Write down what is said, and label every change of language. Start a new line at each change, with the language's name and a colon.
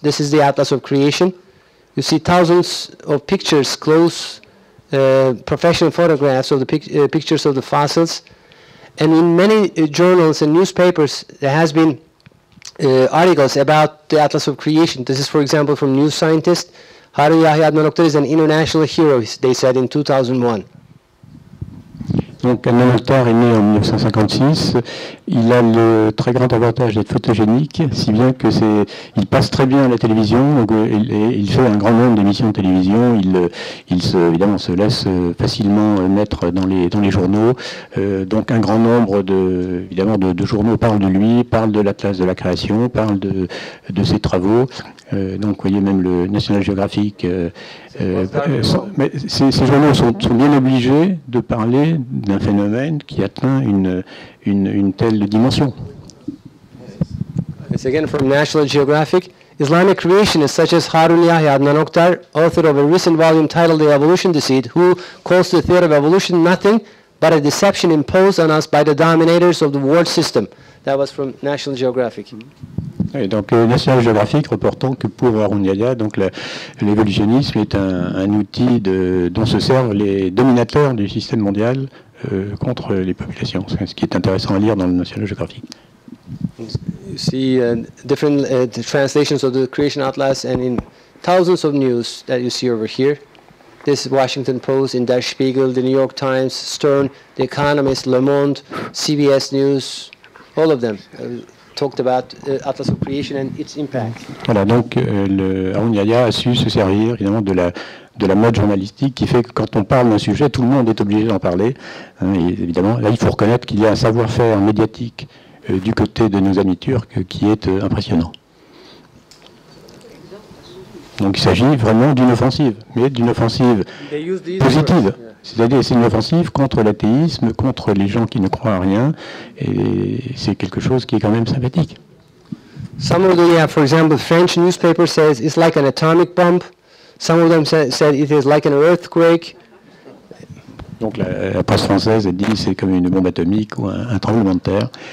English: This is the Atlas of Creation. You see thousands of pictures, close professional photographs of the pictures of the fossils. And in many journals and newspapers, there has been articles about the Atlas of Creation. This is, for example, from New Scientist. Harun Yahya Adnan Oktay is an international hero, they said in 2001.
French: Donc, Adnan Oktay est né en 1956. Il a le très grand avantage d'être photogénique, si bien que il passe très bien à la télévision. Donc, il fait un grand nombre d'émissions de télévision. Il se laisse facilement mettre dans les journaux. Donc, un grand nombre de journaux parlent de lui, parlent de l'Atlas de la création, parlent de ses travaux. Donc, vous voyez, même le National Geographic. Ces journaux sont bien obligés de parler d'un phénomène qui atteint une telle dimension.
English: It's again from National Geographic. Islamic creationists such as Harun Yahya Adnan Oktar, author of a recent volume titled The Evolution Deceit, who calls the theory of evolution nothing but a deception imposed on us by the dominators of the world system. That was from National Geographic.
French: Et donc, National Geographic reportant que pour Harun Yahya, donc l'évolutionnisme est un outil dont se servent les dominateurs du système mondial contre les populations. C'est ce qui est intéressant à lire dans le National Geographic.
English: You see different translations of the Creation Atlas and in thousands of news that you see over here. This is Washington Post, in Der Spiegel, The New York Times, Stern, The Economist, Le Monde, CBS News, all of them. Talked about Atlas of Creation and its impact.
French: Voilà, donc Harun Yahya a su se servir évidemment de la mode journalistique qui fait que quand on parle d'un sujet, tout le monde est obligé d'en parler. Et évidemment, là, il faut reconnaître qu'il y a un savoir-faire médiatique du côté de nos amis turcs qui est impressionnant. Donc il s'agit vraiment d'une offensive, mais d'une offensive positive. C'est-à-dire, c'est une offensive contre l'athéisme, contre les gens qui ne croient à rien, et c'est quelque chose qui est quand même sympathique.
English: Some of them, yeah, for example, the French newspaper says it's like an atomic bomb. Some of them said it is like an earthquake.
French: Donc la presse française elle dit c'est comme une bombe atomique ou un tremblement de terre.